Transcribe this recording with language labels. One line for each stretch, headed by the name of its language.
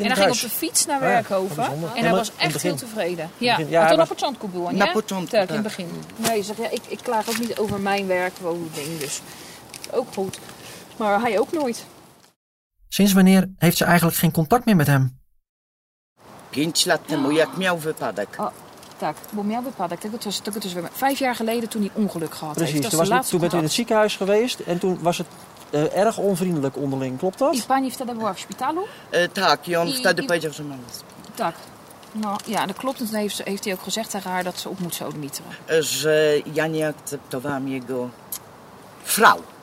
Dutch: en hij ging op de fiets naar Werkhoven. En hij was echt heel tevreden. Ja, toen op het zandkoepel. Na het zandkoepel. In het begin. Nee, zeg, ja, ik klaag ook niet over mijn werkwoning. Dus ook goed. Maar hij ook nooit. Sinds wanneer heeft ze eigenlijk geen contact meer met hem? 5 jaar geleden,
Polish: jak miał wypadek. Tak, bo miał wypadek.
Dutch: Tak, 5 jaar geleden toen hij ongeluk gehad precies, heeft. Precies, toen bent u in het ziekenhuis geweest en toen was het erg onvriendelijk onderling, klopt dat?
Polish: I pani wtedy była w szpitalu? Tak, i on wtedy powiedział, że mam jest.
Dutch: Tak. Nou ja, dat klopt. En toen heeft hij ook gezegd tegen haar dat ze op moet sodomieteren.
Polish: Że ja nie akceptowałam jego vrouw.